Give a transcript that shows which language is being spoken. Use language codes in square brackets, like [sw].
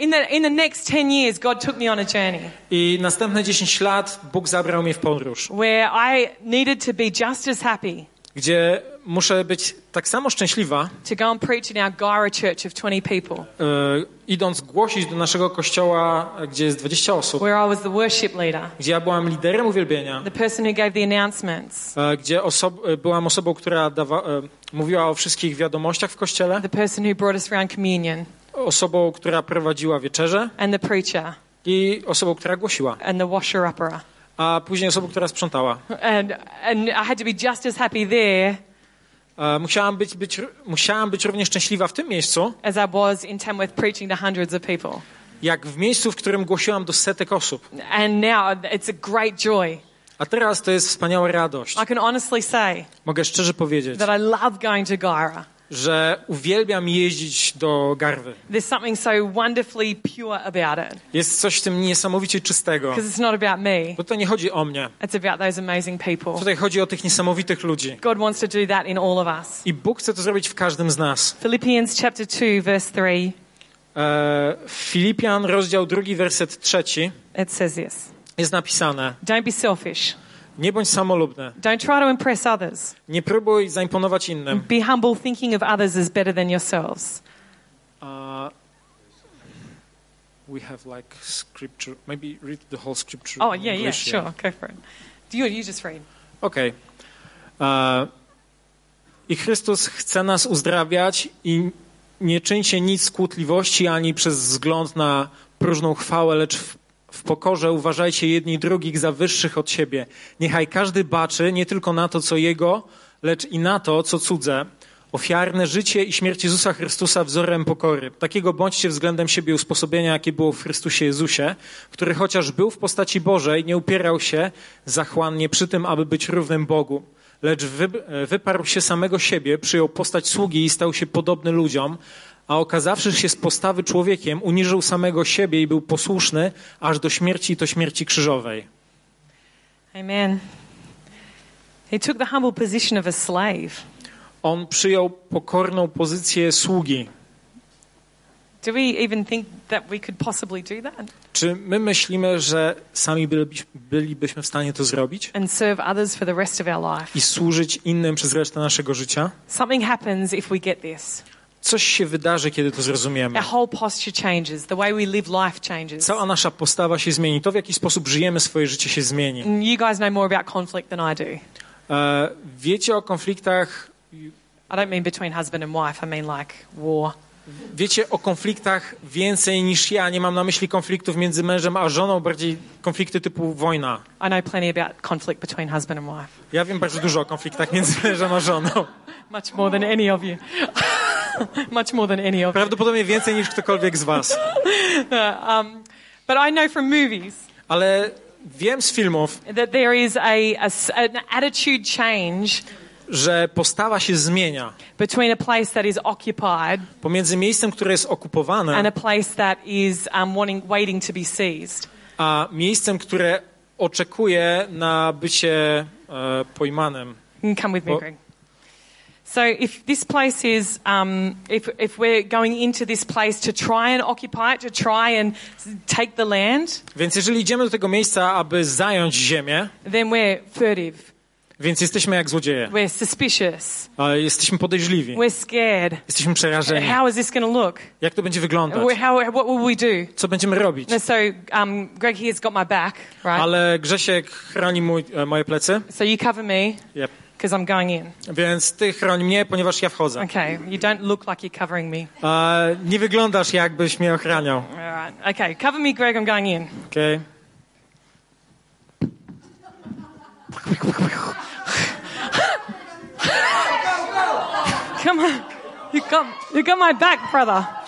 [en] in the next 10 years, God took me on a journey. [pl] I następne 10 lat Bóg zabrał mnie w podróż. [en] Where I needed to be just as happy. [pl] Gdzie muszę być tak samo szczęśliwa. [en] To go and preach in our Gaira church of 20 people. [pl] Idąc głosić do naszego kościoła, gdzie jest 20 osób. [en] Where I was the worship leader. [pl] Gdzie ja byłam liderem uwielbienia. [en] The person who gave the announcements. [pl] Gdzie byłam osobą, która mówiła o wszystkich wiadomościach w kościele. [en] The person who brought us around communion. [pl] Osobą, która prowadziła wieczerze. [en] And the preacher. [pl] I osobą, która głosiła. [en] And the washer-upper. [pl] A później osobą, która sprzątała. [en] And I had to be just as happy there. [pl] Musiałam być równie szczęśliwa w tym miejscu, [en] as I was in Tamworth preaching to hundreds of people. [pl] Jak w miejscu, w którym głosiłam do setek osób. [en] And now it's a great joy. [pl] A teraz to jest wspaniała radość. [en] I can honestly say, [pl] mogę szczerze powiedzieć, [en] that I love going to Gaira. [pl] Że uwielbiam jeździć do Garwy. [en] There's something so wonderfully pure about it. [pl] Jest coś w tym niesamowicie czystego. [en] Because it's not about me. [pl] Bo to nie chodzi o mnie. [en] It's about those amazing people. [pl] Tutaj chodzi o tych niesamowitych ludzi. [en] God wants to do that in all of us. [pl] I Bóg chce to zrobić w każdym z nas. [en] Philippians chapter 2, verse 3. [pl] Filipian, rozdział 2, werset 3. [en] It says this. [pl] Jest napisane. [en] Don't be selfish. [pl] Nie bądź samolubny. [en] Don't try to impress others. [pl] Nie próbuj zaimponować innym. [en] Be humble, thinking of others as better than yourselves. We have like scripture. Maybe read the whole scripture. Oh yeah, yeah, sure, go for it. You just read. Okay. [pl] I Chrystus chce nas uzdrawiać i nie czyńcie nic z kłótliwości ani przez wzgląd na próżną chwałę, lecz w pokorze uważajcie jedni drugich za wyższych od siebie. Niechaj każdy baczy nie tylko na to, co jego, lecz i na to, co cudze, ofiarne życie i śmierć Jezusa Chrystusa wzorem pokory. Takiego bądźcie względem siebie usposobienia, jakie było w Chrystusie Jezusie, który chociaż był w postaci Bożej, nie upierał się zachłannie przy tym, aby być równym Bogu, lecz wyparł się samego siebie, przyjął postać sługi i stał się podobny ludziom, a okazawszy się z postawy człowiekiem, uniżył samego siebie i był posłuszny aż do śmierci, i to śmierci krzyżowej. Amen. [en] He took the humble position of a slave. [pl] On przyjął pokorną pozycję sługi. [en] Do we even think that we could possibly do that? [pl] Czy my myślimy, że sami bylibyśmy w stanie to zrobić? [en] And serve others for the rest of our life. [pl] I służyć innym przez resztę naszego życia? [en] Something happens if we get this. [pl] Coś się wydarzy, kiedy to zrozumiemy. [en] Our whole posture changes, the way we live life changes. [pl] Cała nasza postawa się zmieni. To, w jaki sposób żyjemy swoje życie, się zmieni. [en] And you guys know more about conflict than I do. [pl] Wiecie o konfliktach. [en] I don't mean between husband and wife, I mean like war. [pl] Wiecie o konfliktach więcej niż ja. Nie mam na myśli konfliktów między mężem a żoną, bardziej konflikty typu wojna. [en] I know plenty about conflict between husband and wife. [pl] Ja wiem bardzo dużo o konfliktach między mężem a żoną. [en] Much more than any of you. Much more than any of you. [pl] Prawdopodobnie więcej niż ktokolwiek z was. [en] But I know from movies. [pl] Ale wiem z filmów, [en] that there is an attitude change. [pl] Że postawa się zmienia [en] between a place that is occupied, [pl] pomiędzy miejscem, które jest okupowane, [en] and a place that is waiting to be seized, [pl] a miejscem, które oczekuje na bycie pojmanym. [en] Come with me, Greg. So if this place is if we're going into this place to try and occupy it, to try and take the land, [pl] więc jeżeli idziemy do tego miejsca, aby zająć ziemię, [en] then we're furtive. [pl] Więc jesteśmy jak złodzieje. [en] We're suspicious. [pl] Jesteśmy podejrzliwi. [en] We're scared. [pl] Jesteśmy przerażeni. [en] How is this going to look? [pl] Jak to będzie wyglądać? [en] What will we do? [pl] Co będziemy robić? [en] So Greg here has got my back, right? [pl] Ale Grzesiek chroni moje plecy. [en] So you cover me. Yep. Because I'm going in. [pl] Więc ty chroni mnie, ponieważ ja wchodzę. [en] Okay. You don't look like you're covering me. [pl] Nie wyglądasz, jakbyś mnie ochraniał. [en] Right. Okay. Cover me, Greg. I'm going in. Okay. Come on, you got my back, brother.